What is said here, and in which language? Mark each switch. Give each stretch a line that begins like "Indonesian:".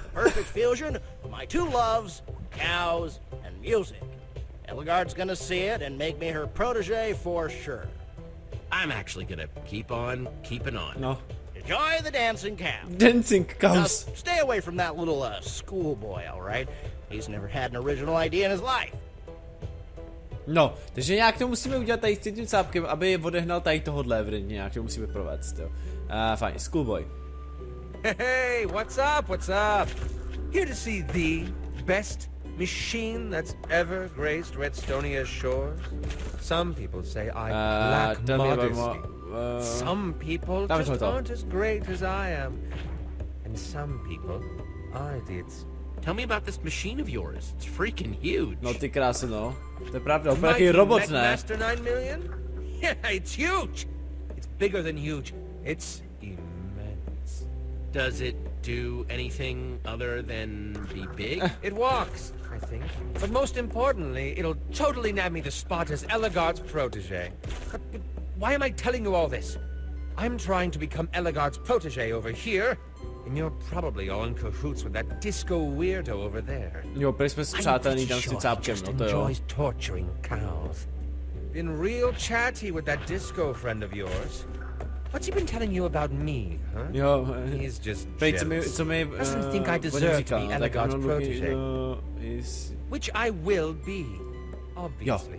English: Perfect fusion of my two loves, cows and music. ELLEGARD's gonna see it and make me her protege for sure. I'm actually gonna keep on keeping on.
Czech: No.
English: Enjoy the dancing cow. Dancing cows. Now, stay away from that little schoolboy, all right? He's never had an original idea in his life.
Czech: No, takže nějak to musíme udělat tady s tím cápkem, aby odehnal tady tohohle vrně, nějak to musíme provést, jo. Fajn, schoolboy.
English: Hey, what's up, what's up? Here to see the best machine that's ever graced Redstonia's shores. Some people say I lack modesty. Some people just aren't as great as I am. And some people are idiots. Tell me about this machine of yours. It's freaking huge.
Czech: No, ty krásy, no. To je pravda, opravdu jaký robot, ne?
English: Master 9 million? Yeah, it's huge. It's bigger than huge. It's immense. Does it do anything other than be big? It walks. I think. But most importantly, it'll totally nab me the spot as ELLEGARD's protege. But why am I telling you all this? I'm trying to become ELLEGARD's protege over here, and you're probably all in cahoots with that disco weirdo over there.
Czech: Jo, přesně přátelní tam s tím cápkem, no to jo.
English: Enjoys torturing cows. Been real chatty with that disco friend of yours. What's he been telling you about me, huh?
Czech: Jo,
English: he's just jealous. Doesn't think I deserve to be ELLEGARD's protege. Which I will be, obviously.